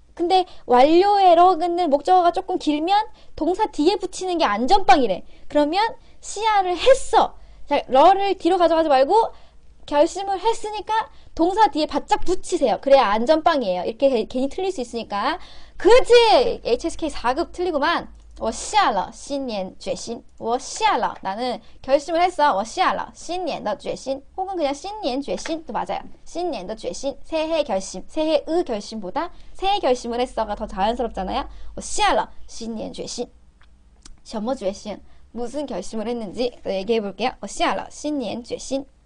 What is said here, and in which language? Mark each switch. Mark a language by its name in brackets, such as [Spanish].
[Korean] 근데 완료해라는 목적어가 조금 길면 동사 뒤에 붙이는 게 안전빵이래. 그러면 시야를 했어. 자, 러를 뒤로 가져가지 말고 결심을 했으니까 동사 뒤에 바짝 붙이세요. 그래야 안전빵이에요. 이렇게 괜히 틀릴 수 있으니까. 그지? HSK 4급 틀리구만. [Chinese] 我下了新年决心.我下了. [Korean] 나는 결심을 했어. [Chinese] 我下了新年的决心. [Korean] 혹은 그냥 신년决心도 맞아요. 신년的决心. 새해 결심. 새해의 결심보다 새해 결심을 했어가 더 자연스럽잖아요. [Chinese] 我下了新年决心.什么决心? [Korean] 무슨 결심을 했는지 얘기해 볼게요. [Chinese] 我下了新年决心.